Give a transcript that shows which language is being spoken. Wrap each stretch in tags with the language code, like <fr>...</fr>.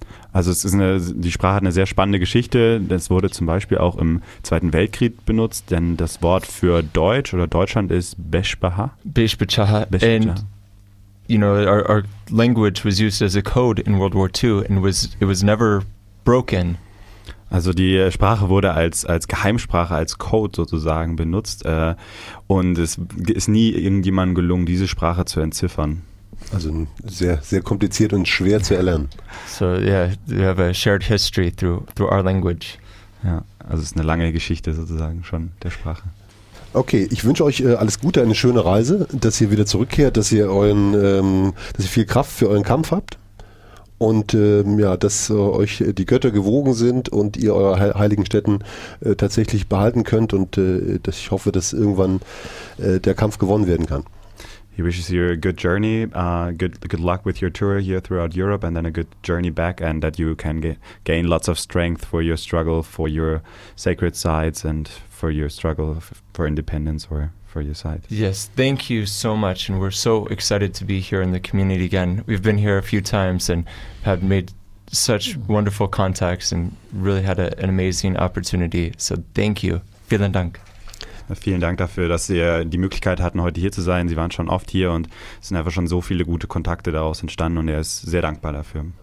<de>Also es ist die Sprache hat eine sehr spannende Geschichte. Das wurde zum Beispiel auch im Zweiten Weltkrieg benutzt, denn das Wort für Deutsch oder Deutschland ist Beşbaha. Beşbaha.</de> <en>And you know, our language was used as a code in World War II and it was never broken.</en> <de>Also die Sprache wurde als Geheimsprache, als Code sozusagen benutzt, und es ist nie irgendjemandem gelungen, diese Sprache zu entziffern. Also sehr, sehr kompliziert und schwer zu erlernen.</de> <en>So, yeah, we have a shared history through our language.</en> <de>Ja, also es ist eine lange Geschichte sozusagen schon der Sprache. Okay, ich wünsche euch alles Gute, eine schöne Reise, dass ihr wieder zurückkehrt, dass ihr viel Kraft für euren Kampf habt. Und dass euch die Götter gewogen sind und ihr eure heiligen Stätten tatsächlich behalten könnt. Und ich hoffe, dass irgendwann der Kampf gewonnen werden kann.</de> <en>He wishes you a good journey, good luck with your tour here throughout Europe, and then a good journey back, and that you can gain lots of strength for your struggle for your sacred sites and for your struggle for independence or for your site. Yes, thank you so much, and we're so excited to be here in the community again. We've been here a few times and have made such wonderful contacts and really had an amazing opportunity. So thank you.</en> <de>Vielen Dank. Vielen Dank dafür, dass Sie die Möglichkeit hatten, heute hier zu sein. Sie waren schon oft hier und es sind einfach schon so viele gute Kontakte daraus entstanden, und er ist sehr dankbar dafür.</de>